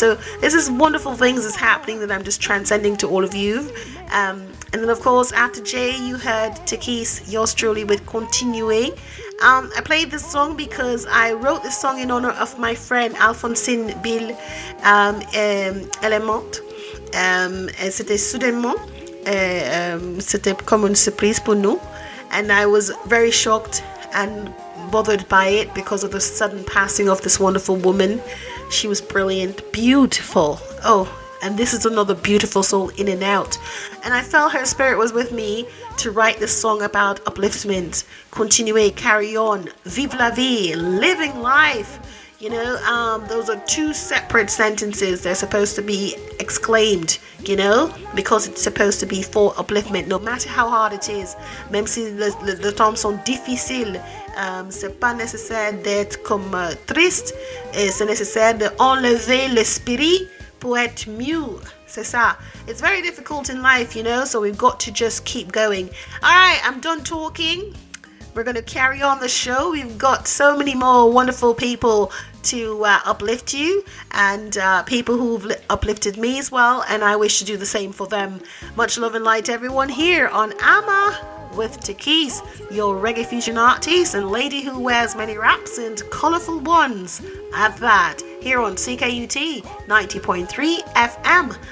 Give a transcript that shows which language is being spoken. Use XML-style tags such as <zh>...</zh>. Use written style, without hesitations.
<en>So this is wonderful things is happening that I'm just transcending to all of you. And then of course, after Jay, you heard Takis, yours truly, with Continuing. I played this song because I wrote this song in honor of my friend Alphonsine Bill Element.</en> <fr>C'était soudainement, c'était comme une surprise pour nous.</fr> <en>And I was very shocked and bothered by it because of the sudden passing of this wonderful woman. She was brilliant, beautiful. Oh, and this is another beautiful soul in and out. And I felt her spirit was with me to write this song about upliftment. Continue, carry on,</en> <fr>vive la vie,</fr> <en>living life. You know, those are two separate sentences. They're supposed to be exclaimed, you know, because it's supposed to be for upliftment, no matter how hard it is.</en> <fr>Même si les temps sont difficiles, c'est pas nécessaire d'être comme triste. Et c'est nécessaire d'enlever l'esprit pour être mieux. C'est ça.</fr> <en>It's very difficult in life, you know, so we've got to just keep going. All right, I'm done talking. We're going to carry on the show. We've got so many more wonderful people to uplift you, and people who've uplifted me as well. And I wish to do the same for them. Much love and light to everyone here on AMA with Takis, your reggae fusion artist and lady who wears many wraps and colorful ones at that, here on CKUT 90.3 FM.</en>